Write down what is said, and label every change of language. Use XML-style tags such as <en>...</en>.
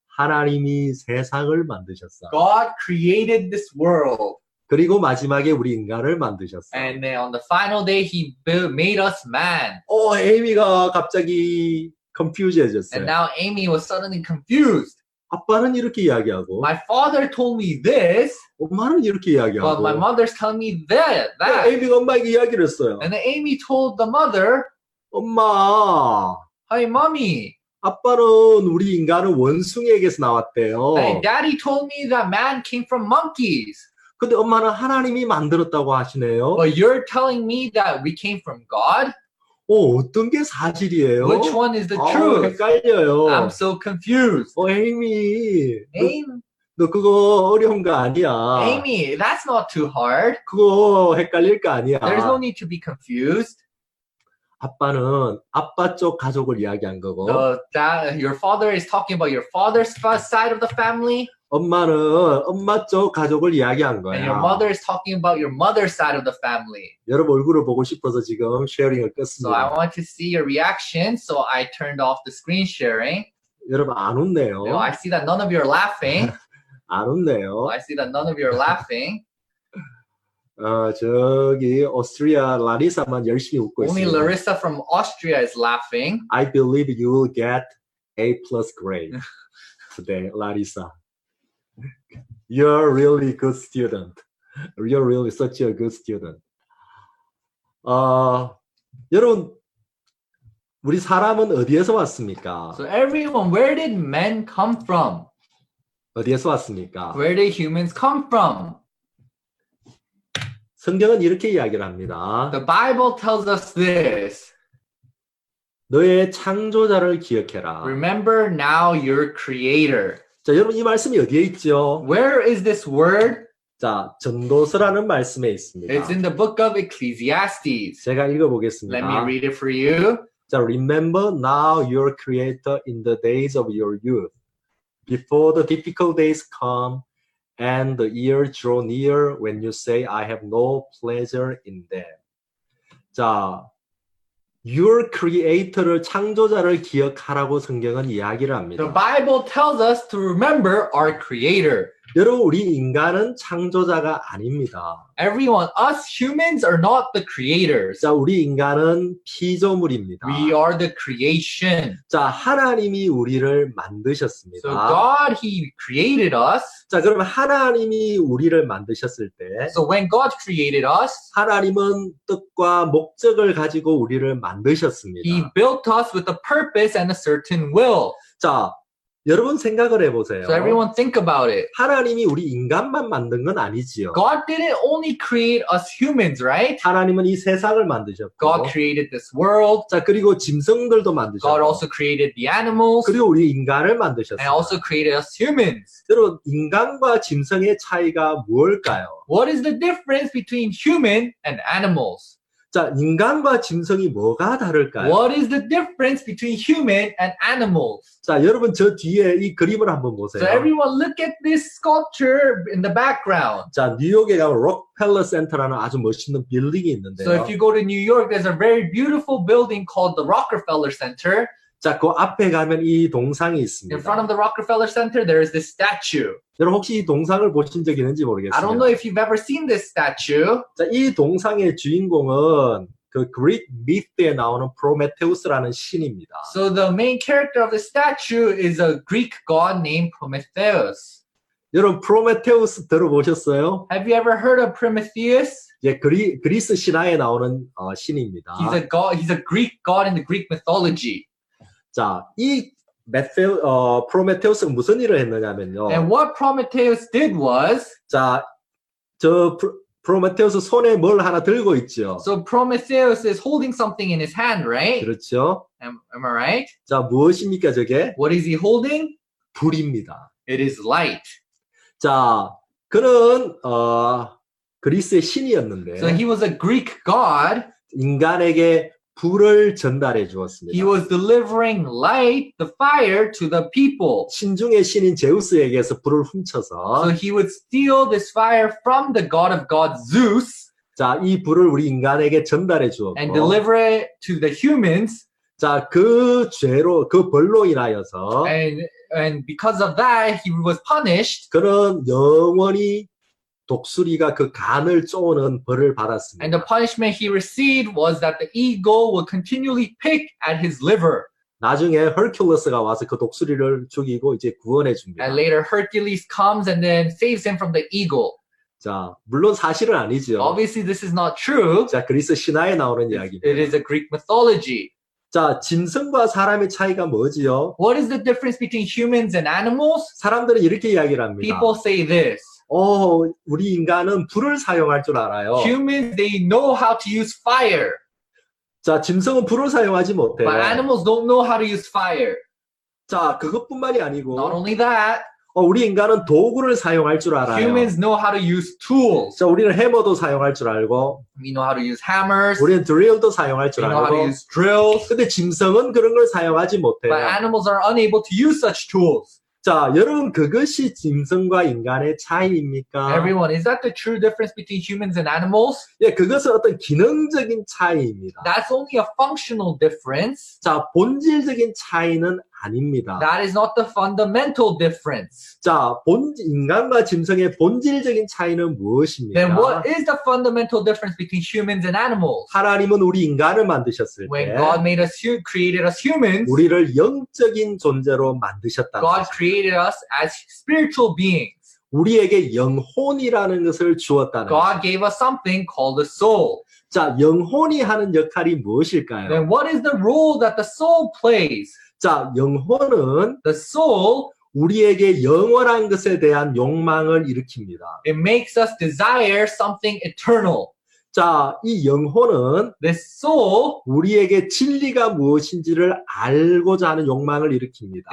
<ko>하나님이 세상을 만드셨어.</ko> <en>God created this world.</en> <ko>그리고 마지막에 우리 인간을 만드셨어.</ko> <en>And then on the final day, he made us man.</en> <ko>오, 에이미가 갑자기 confused해졌어요.</ko> <en>And now Amy was suddenly confused.</en> <ko>아빠는 이렇게 이야기하고.</ko> <en>My father told me this.</en> <ko>엄마는 이렇게 이야기하고.</ko> <en>But my mother's telling me that.</en> <ko>네, 에이미가 엄마에게 이야기를 했어요.</ko> <en>And then Amy told the mother.</en> <ko>엄마.</ko> <en>Hi, mommy.</en> <ko>아빠는 우리 인간은 원숭이에게서 나왔대요.</ko> <en>And daddy told me that man came from monkeys.</en> <ko>근데 엄마는 하나님이 만들었다고 하시네요.</ko> <en>But you're telling me that we came from God?</en> <ko>오, 어떤 게 사실이에요?</ko> <en>Which one is the truth?</en> <ko>헷갈려요.</ko> <en>I'm so confused.</en> <ko>오, 에이미.</ko> <en>Amy.</en> <ko>너 그거 어려운 거 아니야.</ko> <en>Amy, that's not too hard.</en> <ko>그거 헷갈릴 거 아니야.</ko> <en>There's no need to be confused.</en> <ko>아빠는 아빠 쪽 가족을 이야기한 거고.</ko> <en>Your father is talking about your father's side of the family.</en> <ko>엄마는 엄마 쪽 가족을 이야기한 거야.</ko> <en>And your mother is talking about your mother's side of the family.</en> <ko>여러분 얼굴을 보고 싶어서 지금 쉐어링을 끊습니다.</ko> <en>So I want to see your reaction, so I turned off the screen sharing.</en> <ko>여러분 안 웃네요.</ko> <en>No, I see that none of you are laughing.</en> <ko>안 웃네요.</ko> <en>I see that none of you are laughing.</en> <ko>저기 오스트리아 라리사만 열심히 웃고 있어요.</ko> <en>Only</en> <ko>있습니다.</ko> <en>Larissa from Austria is laughing. I believe you will get A plus grade today, Larissa. You're really good student. You're really such a good student.</en> <ko>여러분, 우리 사람은 어디에서 왔습니까?</ko> <en>So everyone, where did men come from?</en> <ko>어디에서 왔습니까?</ko> <en>Where did humans come from?</en> <ko>성경은 이렇게 이야기를 합니다.</ko> <en>The Bible tells us this.</en> <ko>너의 창조자를 기억해라.</ko> <en>Remember now your creator.</en> <ko>자, 여러분 이 말씀이 어디에 있죠?</ko> <en>Where is this word?</en> <ko>자, 전도서라는 말씀에 있습니다.</ko> <en>It's in the book of Ecclesiastes.</en> <ko>제가 읽어보겠습니다.</ko> <en>Let me read it for you.</en> <ko>자,</ko> <en>remember now your creator in the days of your youth. Before the difficult days come and the years draw near when you say I have no pleasure in them.</en> <ko>자,</ko> <en>Your creator</en> <ko>를 창조자를 기억하라고 성경은 이야기를 합니다.</ko> <en>The Bible tells us to remember our creator.</en> <ko>여러분, 우리 인간은 창조자가 아닙니다.</ko> <en>Everyone, us humans are not the creators.</en> <ko>자, 우리 인간은 피조물입니다.</ko> <en>We are the creation.</en> <ko>자, 하나님이 우리를 만드셨습니다.</ko> <en>So God, He created us.</en> <ko>자, 그럼 하나님이 우리를 만드셨을 때,</ko> <en>So when God created us,</en> <ko>하나님은 뜻과 목적을 가지고 우리를 만드셨습니다.</ko> <en>He built us with a purpose and a certain will.</en> <ko>자, 여러분 생각을 해보세요.</ko> <en>So everyone think about it.</en> <ko>하나님이 우리 인간만 만든 건 아니지요.</ko> <en>God didn't only create us humans, right?</en> <ko>하나님은 이 세상을 만드셨고,</ko> <en>God created this world.</en> <ko>자, 그리고 짐승들도 만드셨고,</ko> <en>God also created the animals.</en> <ko>그리고 우리 인간을 만드셨어요.</ko> <en>And also created us humans.</en> <ko>여러분, 인간과 짐승의 차이가 뭘까요?</ko> <en>What is the difference between human and animals?</en> <ko>자, 인간과 짐승이 뭐가 다를까요?</ko> <en>What is the difference between human and animals?</en> <ko>자, 여러분 저 뒤에 이 그림을 한번 보세요.</ko> <en>So everyone look at this sculpture in the background.</en> <ko>자, 뉴욕에 가면 록펠러 센터라는 아주 멋있는 빌딩이 있는데요.</ko> <en>So if you go to New York, there's a very beautiful building called the Rockefeller Center.</en> <ko>자, 그 앞에 가면 이 동상이 있습니다.</ko> <en>In front of the Rockefeller Center, there is this statue.</en> <ko>여러분 혹시 이 동상을 보신 적 있는지 모르겠어요.</ko> <en>I don't know if you've ever seen this statue.</en> <ko>자, 이 동상의 주인공은 그</ko> <en>Greek myth</en> <ko>에 나오는 프로메테우스라는 신입니다.</ko> <en>So the main character of the statue is a Greek god named Prometheus.</en> <ko>여러분 프로메테우스 들어보셨어요?</ko> <en>Have you ever heard of Prometheus?</en> <ko>예, 그리스 신화에 나오는 신입니다.</ko> <en>He's a god. He's a Greek god in the Greek mythology.</en> <ko>자, 이 프로메테우스가 무슨 일을 했느냐면요.</ko> <en>And what Prometheus did was</en> <ko>자, 저 프로메테우스 손에 뭘 하나 들고 있죠.</ko> <en>So Prometheus is holding something in his hand, right?</en> <ko>그렇죠.</ko> <en>Am I right?</en> <ko>자, 무엇입니까, 저게?</ko> <en>What is he holding?</en> <ko>불입니다.</ko> <en>It is light.</en> <ko>자, 그는 그리스의 신이었는데.</ko> <en>So he was a Greek god.</en> <ko>인간에게 불을 전달해 주었습니다.</ko> <en>He was delivering light, the fire, to the people.</en> <ko>신중의 신인 제우스에게서 불을 훔쳐서.</ko> <en>So he would steal this fire from the god of gods, Zeus.</en> <ko>자, 이 불을 우리 인간에게 전달해 주었고.</ko> <en>And deliver it to the humans.</en> <ko>자, 그 죄로, 그 벌로 인하여서.</ko> <en>And because of that, he was punished.</en> <ko>그는 영원히 독수리가 그 간을 쪼는 벌을 받았습니다.</ko> <en>And the punishment he received was that the eagle would continually pick at his liver.</en> <ko>나중에 헐큘레스가 와서 그 독수리를 죽이고 이제 구원해 줍니다.</ko> <en>And later Hercules comes and then saves him from the eagle.</en> <ko>자, 물론 사실은 아니죠.</ko> <en>Obviously this is not true.</en> <ko>자, 그리스 신화에 나오는 이야기입니다.</ko> <en>It is a Greek mythology.</en> <ko>자, 짐승과 사람의 차이가 뭐지요?</ko> <en>What is the difference between humans and animals?</en> <ko>사람들은 이렇게 이야기를 합니다.</ko> <en>People say this.</en> <ko>오, 우리 인간은 불을 사용할 줄 알아요.</ko> <en>Humans, they know how to use fire.</en> <ko>자, 짐승은 불을 사용하지 못해요.</ko> <en>But animals don't know how to use fire.</en> <ko>자, 그것뿐만이 아니고.</ko> <en>Not only that.</en> <ko>우리 인간은 도구를 사용할 줄 알아요.</ko> <en>Humans know how to use tools.</en> <ko>자, 우리는 해머도 사용할 줄 알고.</ko> <en>We know how to use hammers.</en> <ko>우리는 드릴도 사용할 줄 알고.</ko> <en>We know how to use drills.</en> <ko>근데 짐승은 그런 걸 사용하지 못해요.</ko> <en>But animals are unable to use such tools.</en> <ko>자, 여러분 그것이 짐승과 인간의 차이입니까?</ko> <en>Everyone, is that the true difference between humans and animals?</en> <ko>예, 그것은 어떤 기능적인 차이입니다.</ko> <en>That's only a functional difference.</en> <ko>자, 본질적인 차이는 아닙니다.</ko> <en>That is not the fundamental difference.</en> <ko>자, 인간과 짐승의 본질적인 차이는 무엇입니까?</ko> <en>Then what is the fundamental difference between humans and animals?</en> <ko>하나님은 우리 인간을 만드셨을</ko> <en>When</en> <ko>때</ko> <en>When God made us, created us humans,</en> <ko>우리를 영적인 존재로 만드셨다.</ko> <en>God created us as spiritual beings.</en> <ko>우리에게 영혼이라는 것을 주었다는</ko> <en>God</en> <ko>것입니다.</ko> <en>gave us something called a soul.</en> <ko>자, 영혼이 하는 역할이 무엇일까요?</ko> <en>Then what is the role that the soul plays?</en> <ko>자, 영혼은</ko> <en>the soul</en> <ko>우리에게 영원한 것에 대한 욕망을 일으킵니다.</ko> <en>It makes us desire something eternal.</en> <ko>자, 이 영혼은</ko> <en>the soul</en> <ko>우리에게 진리가 무엇인지를 알고자 하는 욕망을 일으킵니다.</ko>